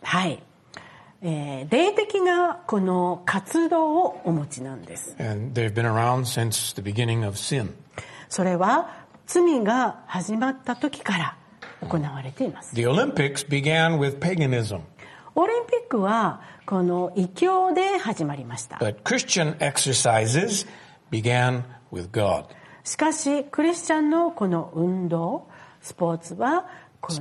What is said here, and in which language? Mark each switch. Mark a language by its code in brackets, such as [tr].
[ja] はい、霊的なこの活動をお持ちなんです。 [en] And they've been around since the beginning of sin. [ja] それは罪が始まった時から行われています。 [en] The Olympics began with paganism. [ja] オリンピックはこの異教で始まりました。 [en] But Christian exercises began with God. [ja] しかし、クリスチャンのこの運動、スポーツはこの、